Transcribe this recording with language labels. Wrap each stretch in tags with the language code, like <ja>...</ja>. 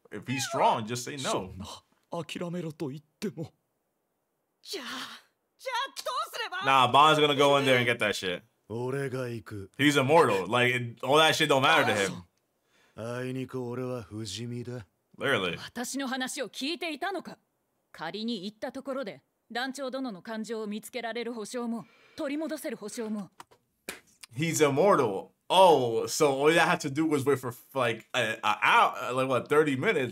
<en>If he's strong, just say no. Nah, Bond's gonna go in there and get that shit. He's immortal. Like, all that shit don't matter to him.</en> <ja>あいにく俺は不死身だ。</ja> <en>Literally。</en> <ja>私の話を聞いていたのか。仮に行ったところで団長殿の感情を見つけられる保証も取り戻せる保証も。</ja> <en>He's immortal. Oh, so all you have to do was wait for like an hour, like what, 30 minutes?</en>